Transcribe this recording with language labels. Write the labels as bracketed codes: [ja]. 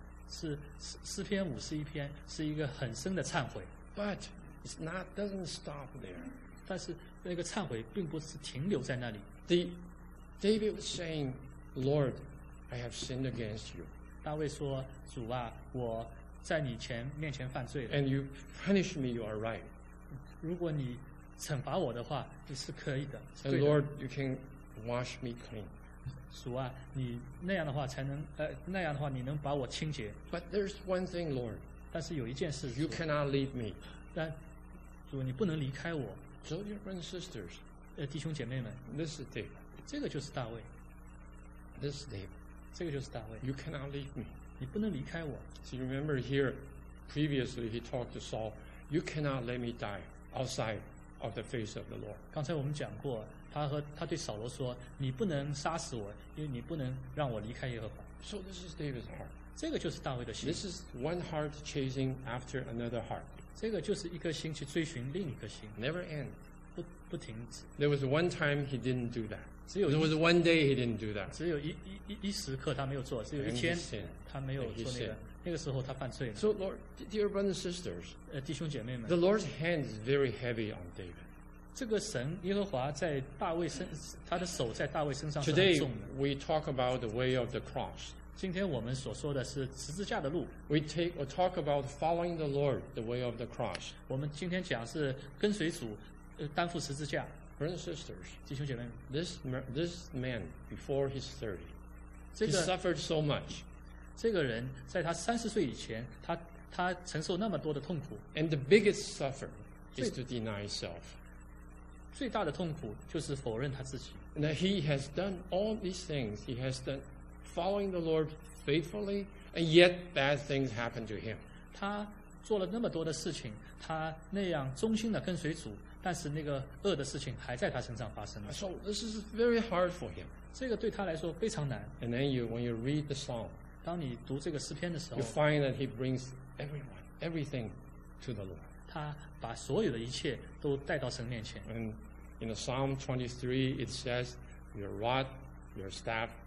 [zh] 是诗篇五十一篇是一个很深的忏悔。 [en] But it's not doesn't stop there. [zh] 但是那个忏悔并不是停留在那里。 [en] David was saying, "Lord, I have sinned against you." [zh] 大卫说，主啊，我在你面前犯罪了。 [en] And you punish me, you are right. [zh] 如果你惩罚我的话，你是可以的。 [en] And Lord, you can wash me clean. [zh] 主啊，你那样的话才能那样的话你能把我清洁。 [en] But there's one thing, Lord. [zh] 但是有一件事。 [en] You cannot leave me. [zh] 但主，你不能离开我。 [en] So dear brothers and sisters. [zh] 弟兄姐妹们。 [en] This is David. [zh] 这个就是大卫。 [en] This is David. [zh] 这个就是大卫。 [en] You cannot leave me. [zh] 你不能离开我。 [en] So you remember here, previously he talked to Saul, "You cannot let me die outside of the face of the Lord." [zh] 刚才我们讲过，他对扫罗说，你不能杀死我，因为你不能让我离开耶和华。 [en] So this is David's heart. [zh] 这个就是大卫的心。 [en] This is one heart chasing after another heart. [zh] 这个就是一颗心去追寻另一颗心。 [en] Never end. [zh] 不停止。 [en] There was one time he didn't do that. There was one day he didn't do that. [zh] 只有一时刻他没有做，只有一天他没有做那个。那个时候他犯罪了。 [en] So Lord, dear brothers and sisters, [zh] 弟兄姐妹们 [en] ，The Lord's hand is very heavy on David. [zh] 这个神耶和华在大卫他的手在大卫身上是很重的。 [en] Today we talk about the way of the cross. [zh] 今天我们所说的是十字架的路。 [en] We take or talk about following the Lord, the way of the cross. [zh] 我们今天讲是跟随主，担负十字架。 [en] Brothers and sisters, [zh] 弟兄姐妹们 [en] this man before he's 30, he suffered so much. [zh] 这个人在他三十岁以前，他承受那么多的痛苦。 [en] And the biggest suffer is to deny himself. [zh] 最大的痛苦就是否认他自己。 [en] Now he has done all these things. He has done. Following the Lord faithfully, and yet bad things happen to him. [zh] 他做了那么多的事情，他那样忠心的跟随主，但是那个恶的事情还在他身上发生了。 [en] So this is very hard for him. [zh] 这个对他来说非常难。 [en] And then when you read the Psalm, [zh] 当你读这个诗篇的时候 [en] ，you find that he brings everything to the Lord. [zh] 他把所有的一切都带到神面前。 [en] And in the Psalm 23, it says, "Your rod, your staff."